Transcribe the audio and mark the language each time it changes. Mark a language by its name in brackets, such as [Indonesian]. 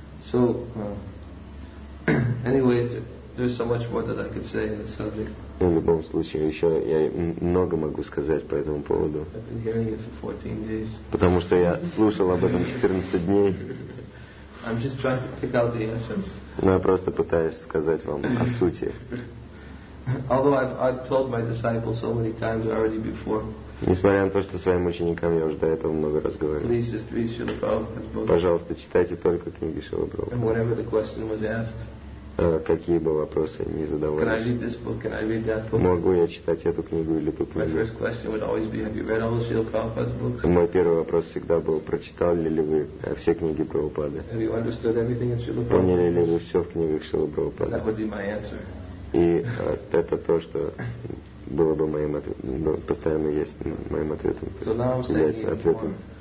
[English] So, anyways, there's so much more that I could say on the subject. [Russian] В любом случае, еще я много могу сказать по этому поводу. [English] I've been hearing it for 14 days. [Russian] Потому что я слушал об этом 14 дней. [English] I'm just trying to pick out the essence. [Russian] Но я просто пытаюсь сказать вам о сути. [English] Although I've told my disciples so many times already before. [Russian] Несмотря на то, что своим ученикам я уже до этого много раз говорил. [English] Please just read Srila Prabhupada's books. [Russian] Пожалуйста, читайте только книги Шрилы Прабхупады. [English] And whatever the question was asked. [Russian] Какие бы вопросы ни задавались. [English] Can I read this book? Can I read that book? [Russian] Могу я читать эту книгу или ту книгу? [English] My first question would always be, have you read all Srila Prabhupada's books? [Russian] Мой первый вопрос всегда был, прочитали ли вы все книги Прабхупады? [English] Have you understood everything in Srila Prabhupada? [Russian] Поняли ли вы все в книгах Шрилы Прабхупады? [English] That would be my answer. [Russian] И это то, что было бы моим ответом, постоянно есть моим ответом. [English] So now I'm saying ответом.